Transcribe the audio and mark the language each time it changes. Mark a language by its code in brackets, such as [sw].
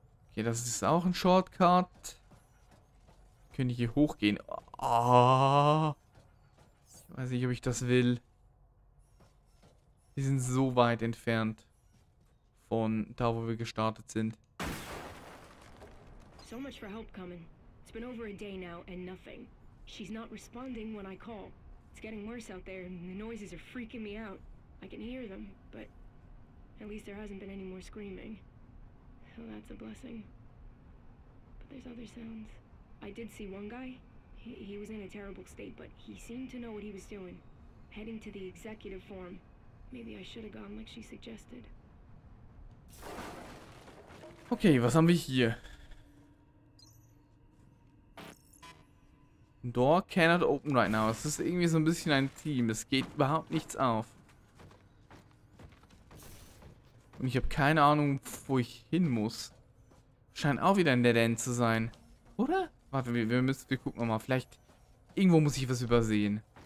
[de] Okay, das ist auch ein Shortcut. Könnte ich hier hochgehen? Ich weiß nicht, ob ich das will. Wir sind so weit entfernt von da, wo wir gestartet sind. [en] So much for help coming. It's been over a day now and nothing. She's not responding when I call. It's getting worse out there and the noises are freaking me out. I can hear them, but at least there hasn't been any more screaming. Well, that's a blessing. But there's other sounds. I did see one guy. He was in a terrible state, but he seemed to know what he was doing. Heading to the executive form. Maybe I should have gone like she suggested. [de] Okay, was haben wir hier? [en] Door cannot open right now. [de] Es ist irgendwie so ein bisschen ein Team. Es geht überhaupt nichts auf. Und ich habe keine Ahnung, wo ich hin muss. Scheint auch wieder in der Dead End zu sein. Oder? Warte, wir gucken nochmal. Vielleicht irgendwo muss ich was übersehen.